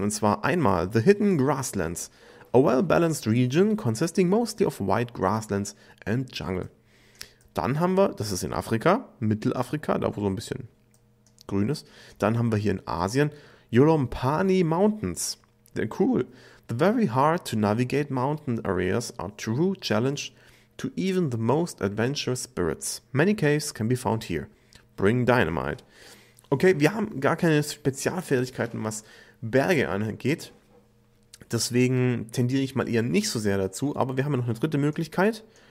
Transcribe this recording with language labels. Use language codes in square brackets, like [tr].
[de] Und zwar einmal [en] The Hidden Grasslands, a well-balanced region consisting mostly of white grasslands and jungle. [de] Dann haben wir, das ist in Afrika, Mittelafrika, da wo so ein bisschen grün ist. Dann haben wir hier in Asien Yolompani Mountains. [en] They're cool. The very hard to navigate mountain areas are true challenge to even the most adventurous spirits. Many caves can be found here. Bring dynamite. [de] Okay, wir haben gar keine Spezialfähigkeiten, was Berge angeht. Deswegen tendiere ich mal eher nicht so sehr dazu. Aber wir haben ja noch eine dritte Möglichkeit.